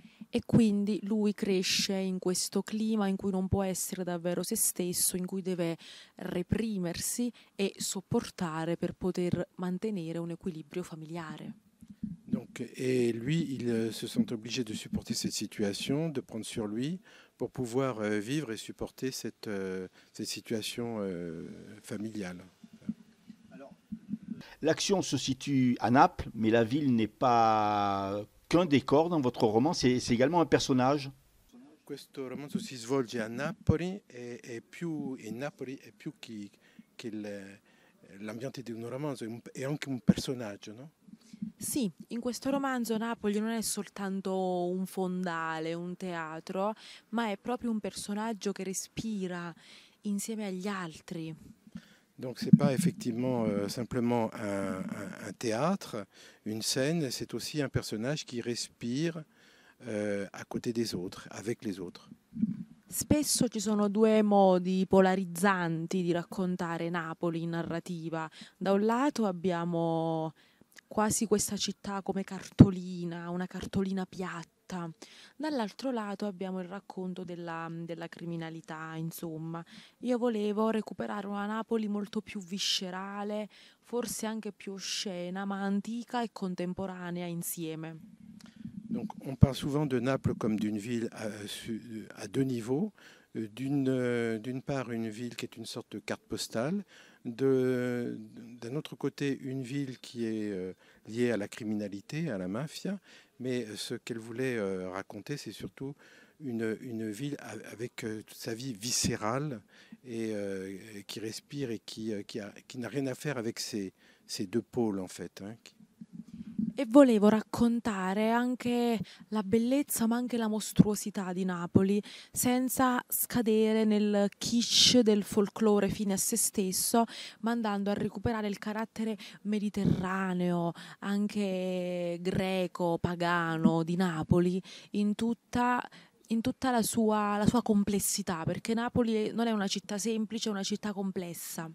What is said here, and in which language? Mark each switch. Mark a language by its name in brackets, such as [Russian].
[Italian] E quindi lui cresce in questo clima in cui non può essere davvero se stesso, in cui deve reprimersi e sopportare per poter mantenere un equilibrio familiare. [French] Donc, et lui, il se sent obligé de supporter cette situation, de prendre sur lui pour pouvoir vivre et supporter cette situation familiale. L'action se situe à Naples, mais la ville n'est pas qu'un décor dans votre roman, c'est également un personnage. [Italian] Questo romanzo si svolge a Napoli e Napoli è più che l'ambiente di un romanzo, è anche un personaggio, no? Sì, in questo romanzo Napoli non è soltanto un fondale, un teatro, ma è proprio un personaggio che respira insieme agli altri. [French] Donc c'est pas effectivement simplement un théâtre, une scène, c'est aussi un personnage qui respire à côté des autres, avec les autres. [Italian] Spesso ci sono due modi polarizzanti di raccontare Napoli in narrativa. Da un lato abbiamo quasi questa città come cartolina, una cartolina piatta. città. Dall'altro lato abbiamo il racconto della criminalità, insomma. Io volevo recuperare una Napoli molto più viscerale, forse anche più oscena, ma antica e contemporanea insieme. [French] Donc, on parle souvent de Naples comme d'une ville à deux niveaux. D'une part, une ville qui est une sorte de carte postale. D'un autre côté, une ville qui est liée à la criminalité, à la mafia. Mais ce qu'elle voulait raconter, c'est surtout une ville avec toute sa vie viscérale et qui respire et qui n'a rien à faire avec ces deux pôles, en fait. Hein. [Italian] E volevo raccontare anche la bellezza, ma anche la mostruosità di Napoli, senza scadere nel kitsch del folklore fine a se stesso, ma andando a recuperare il carattere mediterraneo, anche greco, pagano di Napoli, in tutta la sua complessità, perché Napoli non è una città semplice, è una città complessa.